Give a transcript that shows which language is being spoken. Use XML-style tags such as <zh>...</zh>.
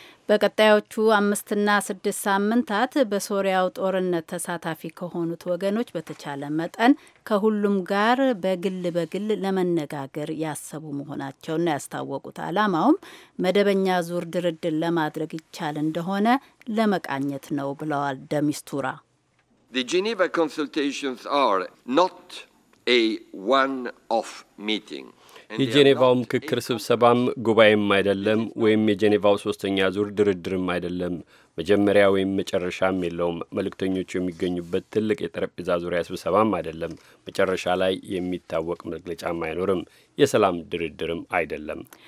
<am>በቀጣዮቹ 5-6 ሳምንታት በሶሪያው ጦርነት ተሳታፊ ከሆኑት ወገኖች በተቻለ መጠን ከሁሉም ጋር በግል በግል ለመነጋገር ያሰቡ መሆናቸውን ያስታወቁት አላማውም መደበኛ ዙር ድርድር ለማድረግ ይቻል እንደሆነ ለመቃኘት ነው ብለዋል ደሚስቱራ።</am> <en>The Geneva consultations are not a one-off meeting.</en> <am>የጄኔቫው ምክክር ስብሰባም ጉባኤም አይደለም፣ ወይም የጄኔቫው ሶስተኛ ዙር ድርድርም አይደለም። መጀመሪያ ወይም መጨረሻም የለውም። መልእክተኞቹ የሚገኙበት ትልቅ የጠረጴዛ ዙሪያ ስብሰባም አይደለም። መጨረሻ ላይ የሚታወቅ መግለጫም አይኖርም። የሰላም ድርድርም አይደለም።</am>